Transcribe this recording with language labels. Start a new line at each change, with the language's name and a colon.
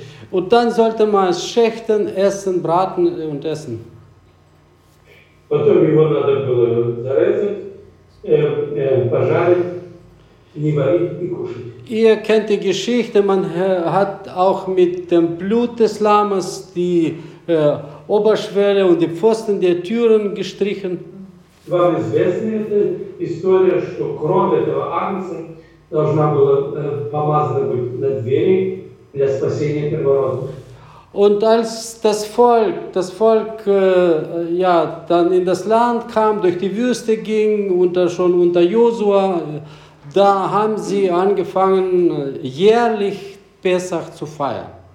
German: Und dann sollte man es schächten, essen, braten und essen.
Russian: Потом его надо было зарезать, пожарить.
German: Ihr kennt die Geschichte, man hat auch mit dem Blut des Lammes die Oberschwelle und die Pfosten der Türen gestrichen. Und als das Volk dann in das Land kam, durch die Wüste ging, schon unter Josua, da haben sie angefangen, jährlich Pesach zu feiern.